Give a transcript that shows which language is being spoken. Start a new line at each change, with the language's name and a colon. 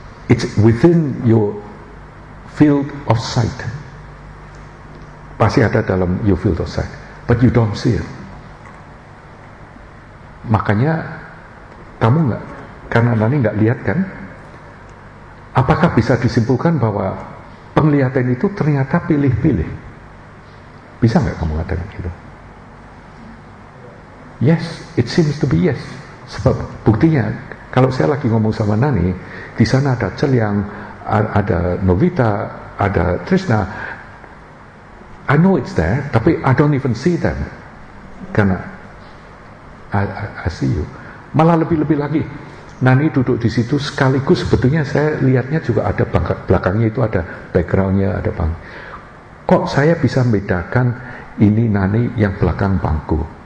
English: It's within your field of sight.
Indonesian: Pasti ada dalam
English: your field of sight, but you don't see it.
Indonesian: Makanya kamu nggak, karena Nani nggak lihat kan? Apakah bisa disimpulkan bahwa penglihatan itu ternyata pilih-pilih. Bisa gak kamu katakan gitu?
English: Yes, it seems to be yes.
Indonesian: Sebab buktinya, kalau saya lagi ngomong sama Nani, di sana ada Celyang, ada Novita, ada Trisna.
English: I know it's there, tapi I don't even see them. Karena I see you.
Indonesian: Malah lebih-lebih lagi, Nani duduk di situ sekaligus sebetulnya saya lihatnya juga ada belakangnya itu ada backgroundnya ada bang. Kok saya bisa membedakan ini Nani yang belakang bangku?